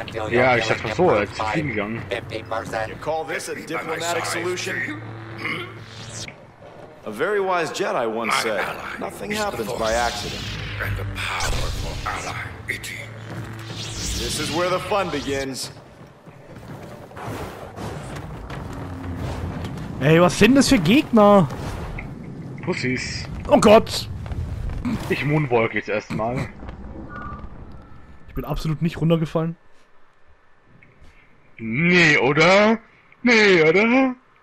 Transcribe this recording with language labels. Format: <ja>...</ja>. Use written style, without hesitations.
<de>Ja, ich sag mal so, jetzt ist fliegen gegangen.</de> <en>You call this a diplomatic solution? A very wise Jedi once said, nothing happens by accident. And a powerful ally, it is. This is where the fun begins.</en> <de>Ey, was sind das für Gegner? Pussys. Oh Gott! Ich moonwalk jetzt erstmal. Ich bin absolut nicht runtergefallen. Nee, oder? Nee, oder?</de>